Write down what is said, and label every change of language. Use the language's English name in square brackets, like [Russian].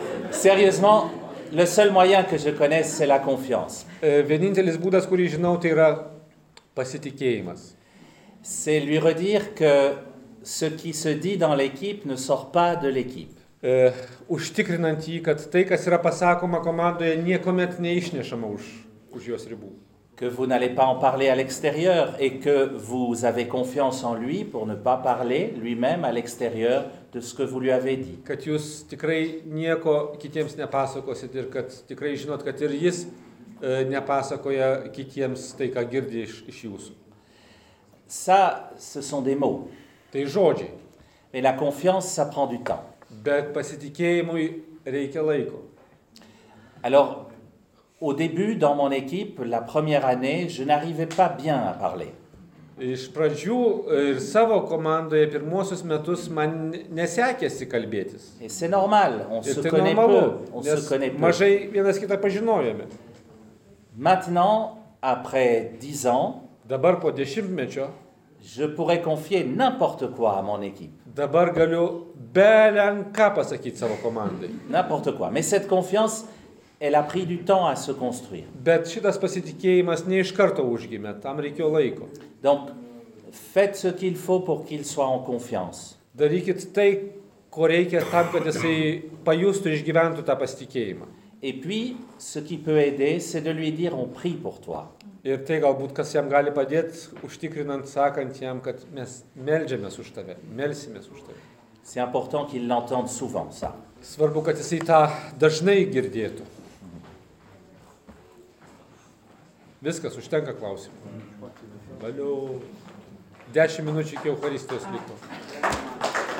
[French] Sérieusement, le seul moyen que je connaisse c'est la confiance. [Lithuanian] Vienintelis būdas, kurį žinau, tai yra pasitikėjimas. [French] C'est lui redire que ce qui se dit dans l'équipe ne sort pas de l'équipe. [Lithuanian] Užtikrinant jį, kad tai, kas yra pasakoma komandoje, niekomet neišnešama už jos ribų. [French] Que vous n'allez pas en parler à l'extérieur et que vous avez confiance en lui pour ne pas parler lui-même à l'extérieur de ce que vous lui avez dit. [Lithuanian] Kad jūs tikrai nieko kitiems nepasakosit ir kad tikrai žinot, kad ir jis nepasakoja kitiems tai, ką girdi iš jūsų. [French] Ça, ce sont des mots. [Lithuanian] Tai žodžiai. [French] Mais la confiance, ça prend du temps. [Lithuanian] Bet pasitikėjimui reikia laiko. [French] Alors, au début, dans mon équipe, la première année, je n'arrivais pas bien à parler. [Lithuanian] Iš pradžių ir savo komandoje pirmuosius metus man nesekėsi kalbėtis. [French] Et c'est normal, on se connaît peu. [Lithuanian] Mažai vienas kitą pažinojome. [French] Maintenant, après 10 ans, [Lithuanian] dabar po 10 metų, [French] je pourrais confier n'importe quoi à mon équipe. [Lithuanian] Dabar galiu belenką pasakyti savo komandai. [French] N'importe quoi. Mais cette confiance, elle a pris du temps à se construire. [Lithuanian] Bet šitas pasitikėjimas ne iš karto užgimė, tam reikėjo laiko. [French] Donc, faites ce qu'il faut pour qu'il soit en confiance. [Lithuanian] Darykit tai, ko reikia tam, kad jisai pajustų, išgyventų tą pasitikėjimą. [French] Et puis, ce qui peut aider, c'est de lui dire on prie pour toi. [Lithuanian] Ir tai galbūt, kas jam gali padėti, užtikrinant, sakant jam, kad mes meldžiamės už tave, melsimės už tave. [French] C'est important qu'il l'entende souvent, ça. [Lithuanian] Svarbu, kad jisai tą dažnai girdėtų. Viskas, užtenka klausimų. Valiu. 10 minučių iki Eucharistijos liko.